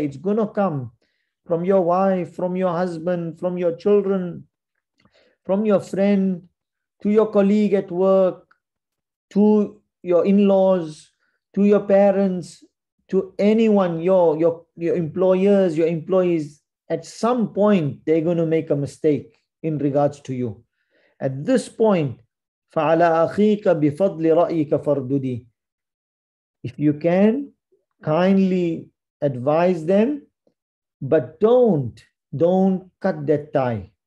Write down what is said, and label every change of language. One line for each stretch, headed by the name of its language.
English: It's going to come from your wife, from your husband, from your children, from your friend, to your colleague at work, to your in-laws, to your parents, to anyone, your employers, your employees. At some point, they're going to make a mistake in regards to you. At this point,
Arabic: فَعَلَىٰ أَخِيكَ بِفَضْلِ رَأِيكَ فَرْدُدِي.
English: If you can, kindly advise them, but don't cut that tie.